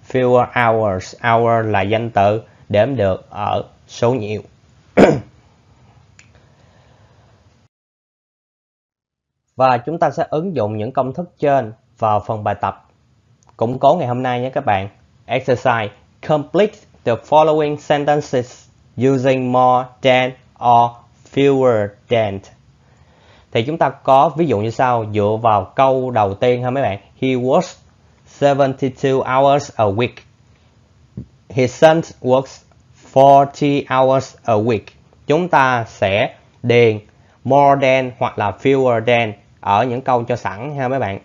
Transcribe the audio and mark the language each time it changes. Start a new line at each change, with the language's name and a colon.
Vietnamese: Fewer hours, hour là danh từ đếm được ở số nhiều. Và chúng ta sẽ ứng dụng những công thức trên vào phần bài tập củng cố ngày hôm nay nhé các bạn.
English: Exercise: complete the following sentences using more than or fewer than.
Vietnamese: Thì chúng ta có ví dụ như sau, dựa vào câu đầu tiên ha mấy bạn.
English: He works 72 hours a week. His son works 40 hours a week.
Vietnamese: Chúng ta sẽ điền more than hoặc là fewer than ở những câu cho sẵn ha mấy bạn.